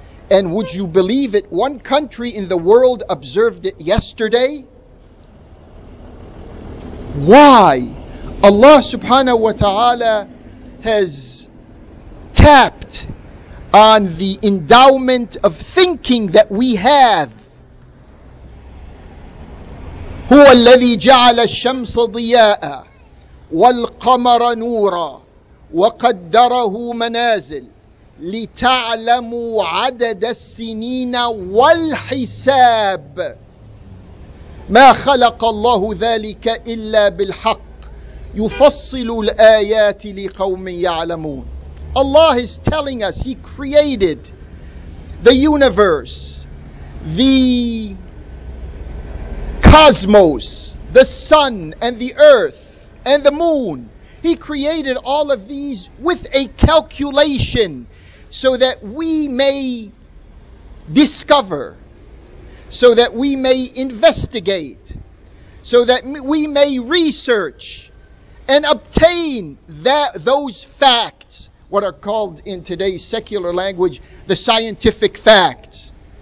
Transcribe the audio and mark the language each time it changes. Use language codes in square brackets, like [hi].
[en] And would you believe it, one country in the world observed it yesterday? Why? Allah subhanahu wa ta'ala has tapped on the endowment of thinking that we have. [ar] هو الذي جعل الشمس ضياء والقمر نورا وقدره منازل لتعلموا عدد السنين والحساب ما خلق الله ذلك إلا بالحق يفصل الآيات لقوم يعلمون. [en] Allah is telling us He created the universe, the cosmos, the sun and the earth and the moon. He created all of these with a calculation so that we may discover, so that we may investigate, so that we may research and obtain those facts, what are called in today's secular language, the scientific facts.